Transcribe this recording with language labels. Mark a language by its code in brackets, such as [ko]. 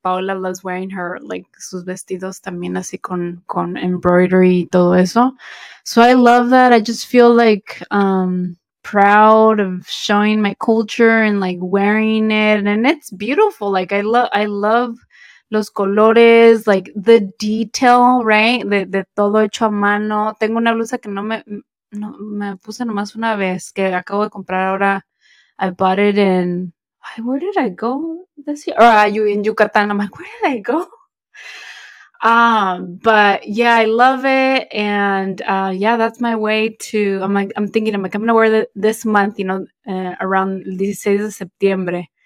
[es] Paola [en] loves wearing her like [es] sus vestidos también así con [en] embroidery [es] y todo eso. [en] So I love that. I just feel like proud of showing my culture and like wearing it, and it's beautiful. Like I love [es] los colores, [en] like the detail, right? [es] De todo hecho a mano. Tengo una blusa que no me puse nomás una vez, que acabo de comprar ahora. [en] I bought it in, where did I go this year? In Yucatán. I'm like, where did I go? But yeah, I love it. And yeah, that's my way to, I'm thinking, I'm gonna wear this month, you know, around 16 de septiembre.